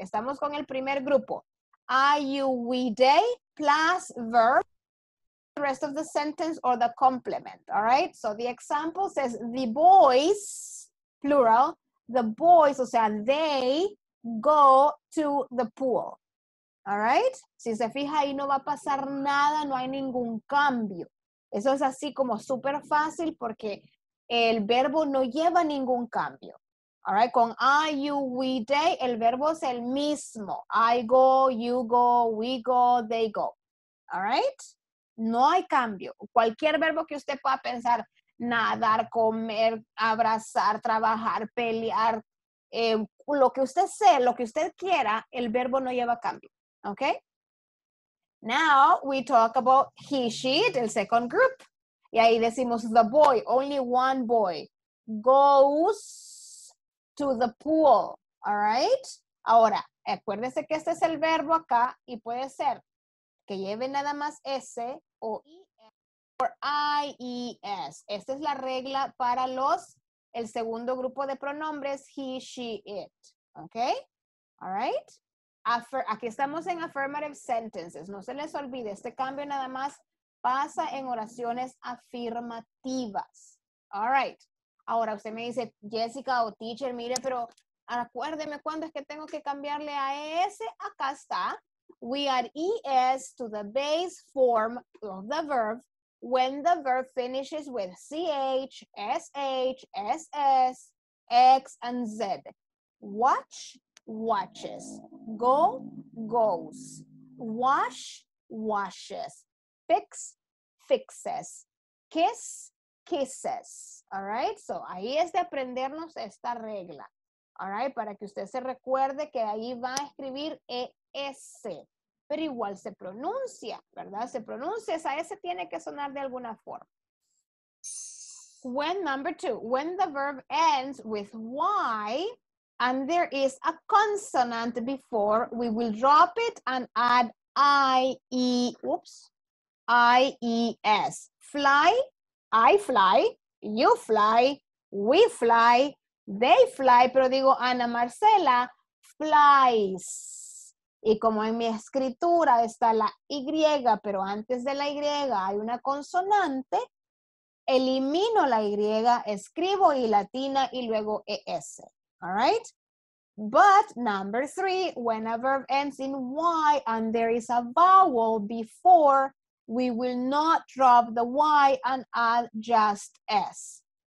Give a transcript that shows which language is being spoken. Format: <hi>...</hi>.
<es>Estamos con el primer grupo.</es> <en>I, you, we, they plus verb, the rest of the sentence or the complement. All right, so the example says the boys, plural, the boys,</en> <es>o sea,</es> <en>they, go to the pool. All right?</en> <es>Si se fija ahí no va a pasar nada, no hay ningún cambio. Eso es así como súper fácil porque el verbo no lleva ningún cambio.</es> <en>All right? Con I, you, we, they,</en> <es>el verbo es el mismo.</es> <en>I go, you go, we go, they go. All right?</en> <es>No hay cambio. Cualquier verbo que usted pueda pensar, nadar, comer, abrazar, trabajar, pelear, lo que usted sea, lo que usted quiera, el verbo no lleva cambio. ¿Ok?</es> <en>Now we talk about he, she, el second group.</en> <es>Y ahí decimos</es> <en>the boy, only one boy, goes to the pool. All right?</en> <es>Ahora, acuérdese que este es el verbo acá y puede ser que lleve nada más S o I-S o I-E-S. Esta es la regla para los, el segundo grupo de pronombres, he, she, it. ¿Ok? All right? Aquí estamos en affirmative sentences. No se les olvide, este cambio nada más pasa en oraciones afirmativas. All right. Ahora usted me dice, Jessica o teacher, mire, pero acuérdeme, ¿cuándo es que tengo que cambiarle a ES? Acá está.</es> <en>We add ES to the base form of the verb when the verb finishes with CH, SH, SS, X, and Z. Watch, watches. Go, goes. Wash, washes. Fix, fixes. Kiss, kisses. All right? So,</en> <es>ahí es de aprendernos esta regla. All right? Para que usted se recuerde que ahí va a escribir ES. Pero igual se pronuncia, ¿verdad? Se pronuncia. Esa S tiene que sonar de alguna forma.</es> <en>When, number two. When the verb ends with Y and there is a consonant before, we will drop it and add I-E, oops, I-E-S. Fly, I fly, you fly, we fly, they fly,</en> <es>pero digo</es> <en>Ana Marcela, flies.</en> <es>Y como en mi escritura está la Y, pero antes de la Y hay una consonante, elimino la Y, escribo I latina y luego ES.</es> <en>All right? But number three, when a verb ends in Y and there is a vowel before, we will not drop the Y and add just S.</en>